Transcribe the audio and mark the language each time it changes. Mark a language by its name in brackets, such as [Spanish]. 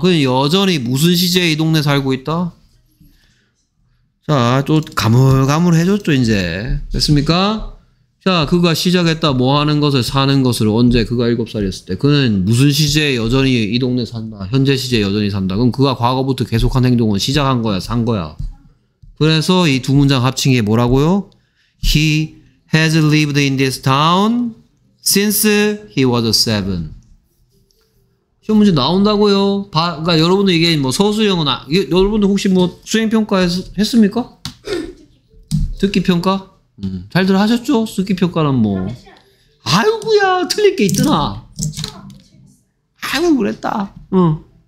[Korean] 그 여전히 무슨 시제 이 동네 살고 있다. 자, 또 가물가물 해줬죠 이제. 됐습니까? 자, 그가 시작했다 뭐 하는 것을 사는 것을 언제 그가 7살이었을 때 그는 무슨 시제에 여전히 이 동네 산다 현재 시제에 여전히 산다 그럼 그가 과거부터 계속한 행동은 시작한 거야 산 거야. 그래서 이 두 문장 합친 게 뭐라고요? [English] He has lived in this town since he was seven. [Korean] 시험 문제 나온다고요? 그러니까 여러분들 이게 뭐 서술형은 여러분들 혹시 뭐 수행평가 했습니까? 듣기평가? 잘들 하셨죠? 수기평가는 뭐 아이고야 틀릴 게 있더나. 아이고 그랬다. 응.